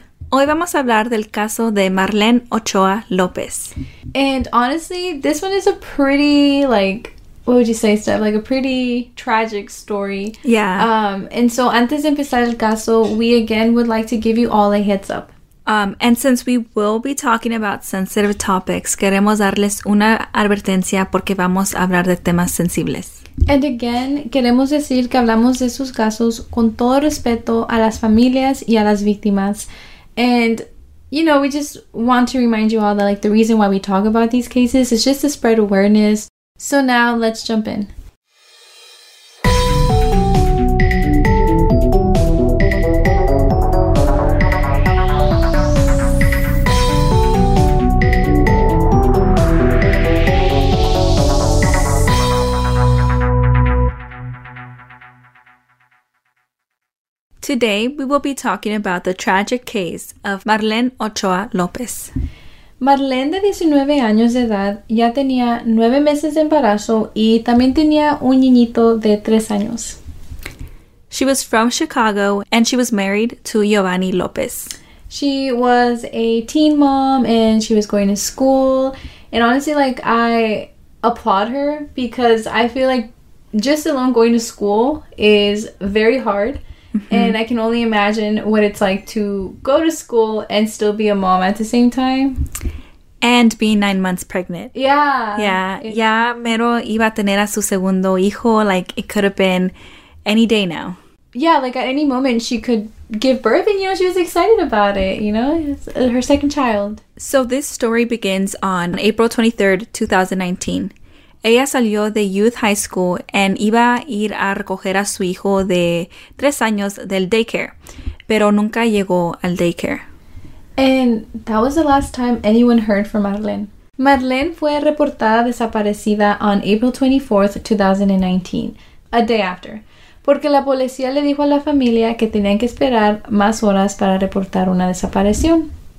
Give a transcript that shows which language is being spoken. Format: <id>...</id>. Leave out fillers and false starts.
<es>Hoy vamos a hablar del caso de Marlene Ochoa López.</es> <en>And honestly, this one is a pretty, like, what would you say, Steph? Like a pretty tragic story. Yeah. And so</en> <es>antes de empezar el caso,</es> <en>we again would like to give you all a heads up. And since we will be talking about sensitive topics,</en> <es>queremos darles una advertencia porque vamos a hablar de temas sensibles.</es> <en>And again,</en> <es>queremos decir que hablamos de esos casos con todo respeto a las familias y a las víctimas.</es> <en>And, you know, we just want to remind you all that, like, the reason why we talk about these cases is just to spread awareness. So now, let's jump in. Today, we will be talking about the tragic case of Marlene Ochoa López.</en> <es>Marlene, de 19 años de edad, ya tenía 9 meses de embarazo y también tenía un niñito de 3 años.</es> <en>She was from Chicago and she was married to Giovanni López. She was a teen mom and she was going to school. And honestly, like, I applaud her because I feel like just alone going to school is very hard. Mm-hmm. And I can only imagine what it's like to go to school and still be a mom at the same time. And being 9 months pregnant. Yeah. Yeah.</en> <es>Ya mero iba a tener a su segundo hijo.</es> <en>Like, it could have been any day now. Yeah, like, at any moment she could give birth and, you know, she was excited about it, you know? It's her second child. So this story begins on April 23rd, 2019.</en> <es>Ella salió de</es> <en>youth high school and</en> <es>iba a ir a recoger a su hijo de 3 años del daycare. Pero nunca llegó al daycare.</es> <en>And that was the last time anyone heard from Marlene.</en> <es>Marlene fue reportada desaparecida</es> <en>on April 24th, 2019, a day after,</en> <es>porque la policía le dijo a la familia que tenían que esperar más horas para reportar una desaparición.</es>